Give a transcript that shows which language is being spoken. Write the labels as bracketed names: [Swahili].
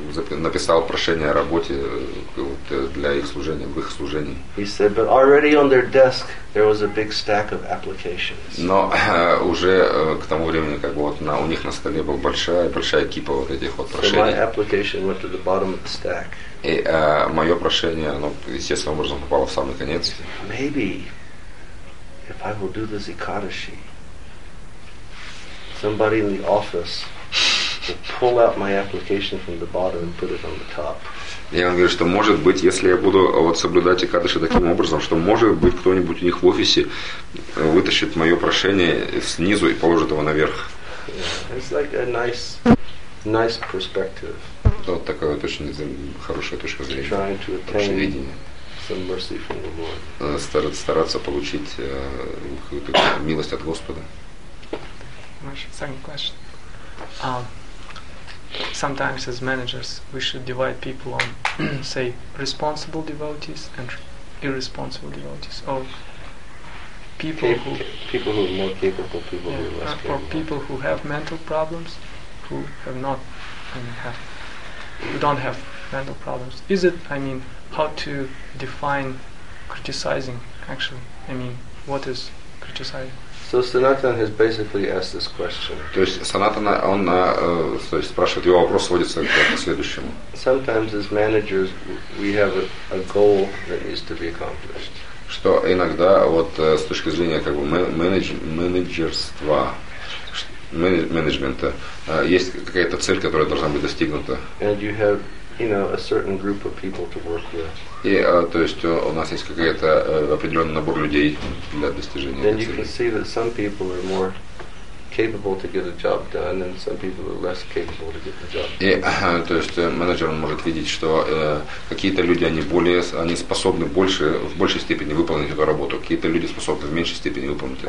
[Russian] Я написал прошение о работе для их служения, в их служении. [English] He said, but already on their desk there was a big stack of applications. [Russian] Но уже к тому времени, как бы вот у них на столе была большая кипа вот этих вот прошений. [English] So my application went to the bottom of the stack. [Russian] И мое прошение, оно естественным образом попало в самый конец. [English] Maybe if I will do the Zikadashi, somebody in the office will pull out my application from the bottom and put it on the top. [Russian] И он говорит, что может быть, если я буду вот соблюдать Икадыши таким образом, что может быть кто-нибудь у них в офисе вытащит мое прошение снизу и положит его наверх. [English] Yeah, it's like a nice perspective. [Russian] Вот такая вот очень хорошая точка зрения, хорошее видение. Стараться получить какую-то милость от Господа. [English] Second question. Sometimes as managers we should divide people on, say, responsible devotees and irresponsible devotees, or people who are more capable, people who are less capable, or people who have mental problems, who have not, and have. We don't have mental problems. Is it, I mean, how to define criticizing, actually? I mean, what is criticizing? So Sanatana has basically asked this question. [Russian] То есть Санатана, он спрашивает, его вопрос сводится к следующему. [English] Sometimes as managers, we have a goal that needs to be accomplished. [Russian] Что иногда, вот с точки зрения как бы менеджерства, менеджмента, есть какая-то цель, которая должна быть достигнута. [English] And you have, you know, a certain group of people to work with. [Russian] И то есть у нас есть какая-то определенный набор людей для достижения этой цели. [English] Then you can see that some people are more capable to get a job done, and some people are less capable to get the job done. [Russian] И то есть менеджер может видеть, что какие-то люди они способны больше в большей степени выполнить эту работу, какие-то люди способны в меньшей степени выполнить эту